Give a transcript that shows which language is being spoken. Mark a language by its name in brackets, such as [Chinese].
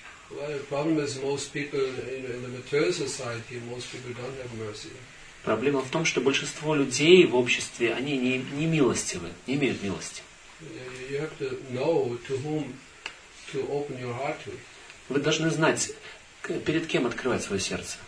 [English] Well, the problem is most people in the material society, most people don't have mercy. [Russian] Проблема в том, что большинство людей в обществе они не милостивы, не имеют милости. [English] You have to know to whom to open your heart to. [Russian] Вы должны знать, перед кем открывать свое сердце.